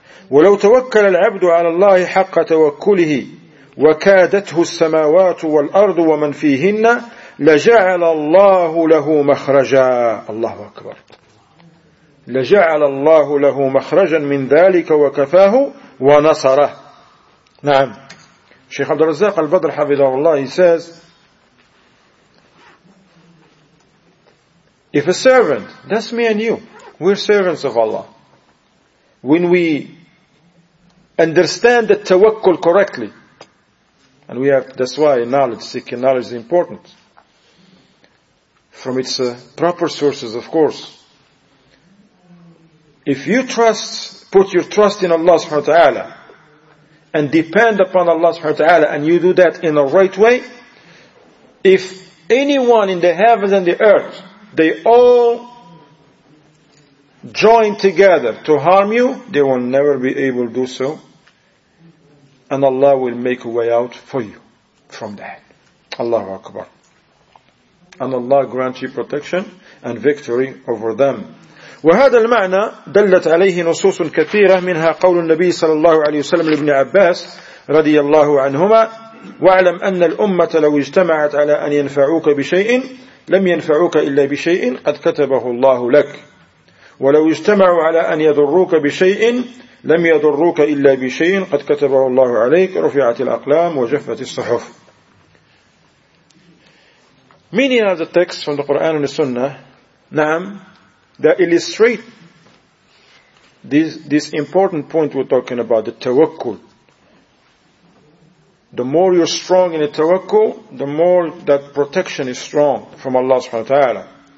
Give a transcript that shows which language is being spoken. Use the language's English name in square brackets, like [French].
[Arabic] ولو توكل العبد على الله حق توكله وكادته السماوات والأرض ومن فيهن لجعل الله له مخرجا. الله أكبر. لجعل الله له مخرجا من ذلك وكفاه ونصره. نعم. [English] شيخ عبد الرزاق البدر حفظه الله says, if a servant, that's me and you, we're servants of Allah, when we understand the tawakkul correctly, and we have, that's why knowledge, seeking knowledge is important, from its proper sources, of course. If you trust, put your trust in Allah subhanahu wa ta'ala, and depend upon Allah subhanahu wa ta'ala, and you do that in the right way, if anyone in the heavens and the earth, they all join together to harm you, they will never be able to do so. And Allah will make a way out for you from that. Allahu Akbar. And Allah grant you protection and victory over them. [Arabic] وهذا المعنى دلت عليه نصوص كثيرة منها قول النبي صلى الله عليه وسلم لابن عباس رضي الله عنهما واعلم أن الأمة لو اجتمعت على أن ينفعوك بشيء لم ينفعوك إلا بشيء قد كتبه الله لك. ولو اجتمعوا على أن يضروك بشيء لم يضروك إلا بشيء قد كتبه الله عليك رفعت الأقلام وجفت الصحف. [English] Meaning of the text from the Quran and the Sunnah, Naam, that illustrate this important point we're talking about, the tawakkul. The more you're strong in the tawakkul, the more that protection is strong from Allah subhanahu wa ta'ala.